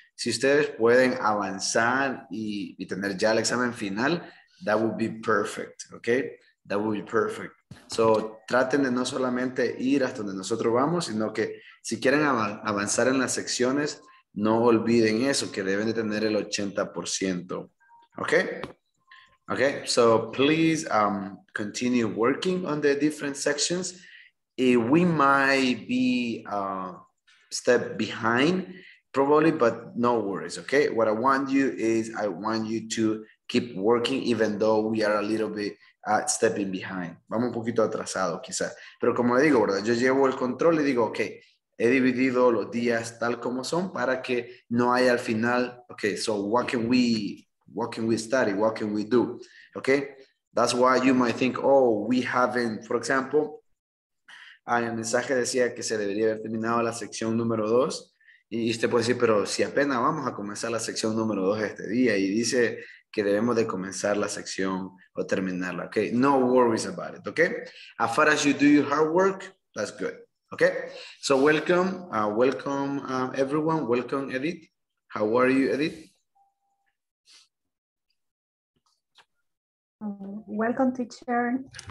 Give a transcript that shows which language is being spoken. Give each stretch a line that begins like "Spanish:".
Spanish: Si ustedes pueden avanzar y tener ya el examen final,
English: that would be perfect, okay? That would be perfect.
Spanish: So, traten de no solamente ir hasta donde nosotros vamos, sino que si quieren avanzar en las secciones, no olviden eso, que deben de tener el 80%, okay?
English: Okay, so please continue working on the different sections. We might be a step behind, probably, but no worries, okay? What I want you is, I want you to keep working even though we are a little bit stepping behind.
Spanish: Vamos un poquito atrasado, quizás. Pero como le digo, ¿verdad? Yo llevo el control y digo, okay, he dividido los días tal como son para que no haya al final,
English: okay, so what can we study? What can we do? Okay? That's why you might think, oh, we haven't, for example,
Spanish: en el mensaje decía que se debería haber terminado la sección número 2. Y usted puede decir, pero si apenas vamos a comenzar la sección número 2 este día y dice que debemos de comenzar la sección o terminarla, ¿ok?
English: No worries about it, ¿ok? As far as you do your hard work, that's good, ¿ok? So welcome, everyone, welcome Edith. How are you, Edith? Welcome, teacher.